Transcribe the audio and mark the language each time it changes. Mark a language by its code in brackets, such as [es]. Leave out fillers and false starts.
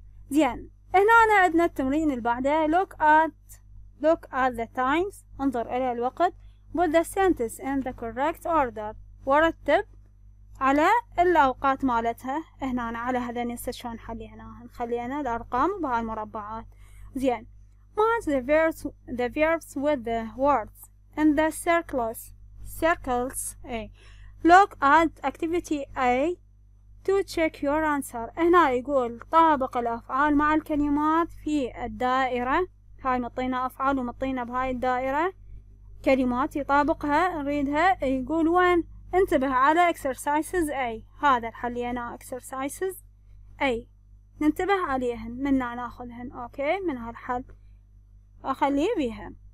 [ar] زين هنا عندنا التمرين اللي بعده [en] look at the times، [ar] انظر الى الوقت، [en] put the sentence in the correct order، [ar] ورتب على الاوقات مالتها. هنا على هذا نسى شلون نحلي، هنا نخلينا الارقام بهالمربعات. [en] زين match the verbs with the words in the circles A. look at activity A to check your answer. [ar] هنا يقول طابق الافعال مع الكلمات في الدائره، هاي مطينا افعال ومطينا بهاي الدائره كلمات يطابقها نريدها. يقول وين؟ انتبه على exercises A، هذا حلينا exercises A، ننتبه عليهن منا ناخذهن، اوكي من هالحل اخليه بيها.